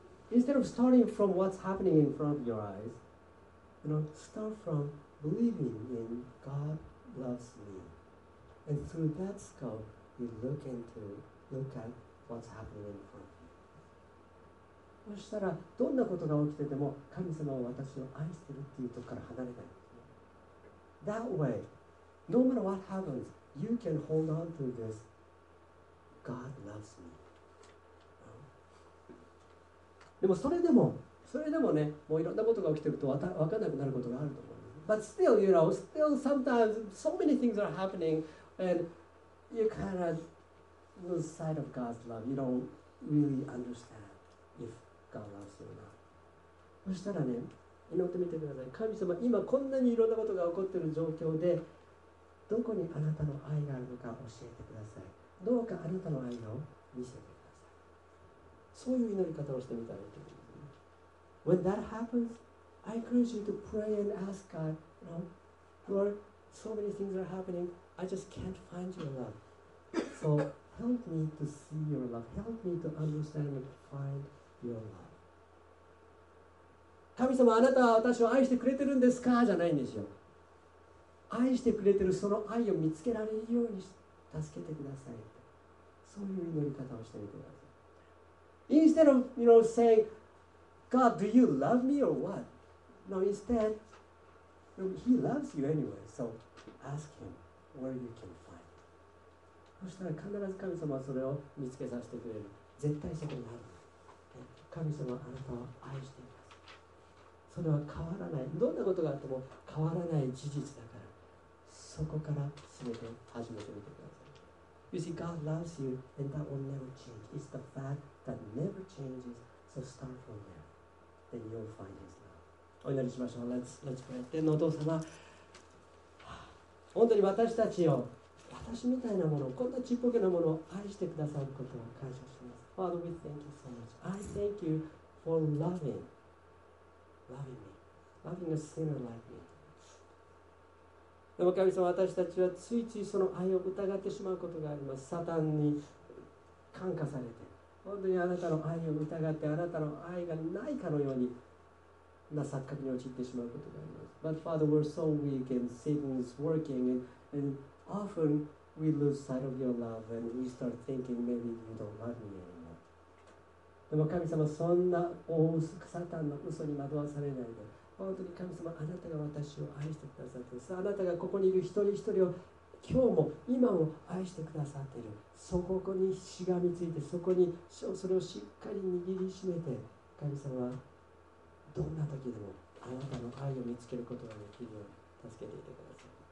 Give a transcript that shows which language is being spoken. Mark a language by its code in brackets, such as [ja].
[en] Instead of starting from what's happening in front of your eyes, you know, start from believing in God loves me. And through that scope, you look at what's happening in front. [ja] そしたらどんなことが起きてても神様は私を愛してるっていうとこから離れない。 [en] That way, no matter what happens, you can hold on to this. God loves me. [ja] でもそれでもね、もういろんなことが起きてると分かんなくなることがあると思う。 [en] But still, you know, still sometimes so many things are happening and you kind of lose sight of God's love. You don't really understand if. God loves you now. [ja] そしたらね、祈ってみてください。神様、今こんなにいろんなことが起こっている状況でどこにあなたの愛があるのか教えてください。どうかあなたの愛を見せてください。そういう祈り方をしてみたらいいと思います。 [en] When that happens, I encourage you to pray and ask God, you know, Lord, so many things are happening, I just can't find your love. So help me to see your love. Help me to understand and findYour love. [ja] 神様、あなたは私を愛してくれてるんですか、じゃないんですよ。愛してくれてるその愛を見つけられるように助けてください。そういう祈り方をしてみてください。 [en] Instead of, you know, saying, God, do you love me or what? No, instead, He loves you anyway, so ask Him where you can find. [ja] そしたら必ず神様はそれを見つけさせてくれる。絶対そこにある。神様はあなたを愛しています。それは変わらない。どんなことがあっても変わらない事実だから、そこから全て始めてみてください。 [en] You see, God loves you and that will never change. It's the fact that never changes. So start from there. Then you'll find His love. [ja] お祈りしましょう。 [en] Let's pray. [ja] 天皇お父様、本当に私たちを、私みたいなもの、こんなちっぽけなものを愛してくださることを感謝します。 [en] Father, we thank you so much. I thank you for loving me, loving a sinner like me. [ja] でも神様、私たちはついついその愛を疑ってしまうことがあります。サタンに感化されて、本当にあなたの愛を疑って、あなたの愛がないかのように、な錯覚に陥ってしまうことがあります。 [en] But Father, we're so weak and Satan is working and often we lose sight of your love and we start thinking maybe you don't love me anymore. [ja] でも神様、そんな大サタンの嘘に惑わされないで、本当に神様、あなたが私を愛してくださっている。あなたがここにいる一人一人を今日も今も愛してくださっている。そこにしがみついて、そこにそれをしっかり握りしめて、神様、どんな時でもあなたの愛を見つけることができるように助けていてください。